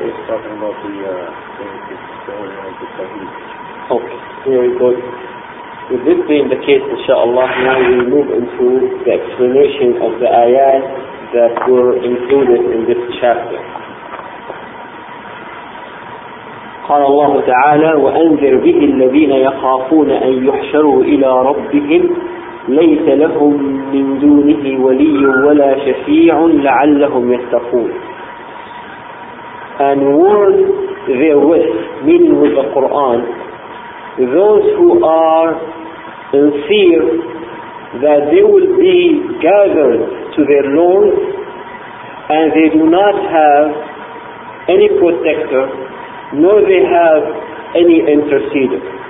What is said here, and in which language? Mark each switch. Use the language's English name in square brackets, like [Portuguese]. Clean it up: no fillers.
[English] is talking about the one like the tawheed. Okay, very good. With this being the case, inshaAllah, now we move into the explanation of the ayat that were included in this chapter. [Arabic] قال الله تعالى وأنذر به الذين يخافون أن يحشروا إلى ربهم ليس لهم من دونه ولي ولا شفيع لعلهم يتقون. [English] And warn therewith, meaning with the Quran, those who are in fear that they will be gathered to their Lord and they do not have any protector nor they have any interceder.